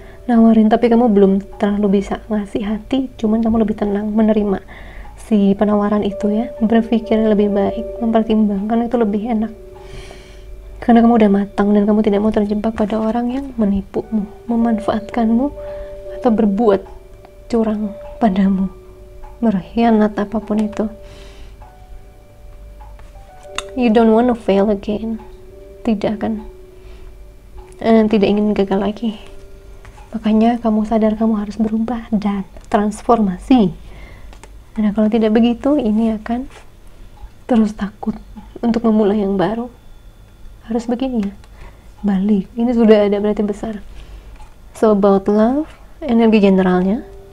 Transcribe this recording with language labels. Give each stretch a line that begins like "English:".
Indonesian: Nawarin, tapi kamu belum terlalu bisa ngasih hati, cuman kamu lebih tenang menerima si penawaran itu ya. Berpikir lebih baik, mempertimbangkan itu lebih enak. Karena kamu udah matang dan kamu tidak mau terjebak pada orang yang menipumu, memanfaatkanmu, atau berbuat curang padamu. Berkhianat apapun itu.
English: You don't want to fail again.
Indonesian: Tidak akan. Tidak ingin gagal lagi. Makanya kamu sadar kamu harus berubah dan transformasi. Nah, kalau tidak begitu, ini akan terus takut untuk memulai yang baru. Harus begini ya. Balik. Ini sudah ada berarti besar.
English: So about love,
Indonesian: energi generalnya.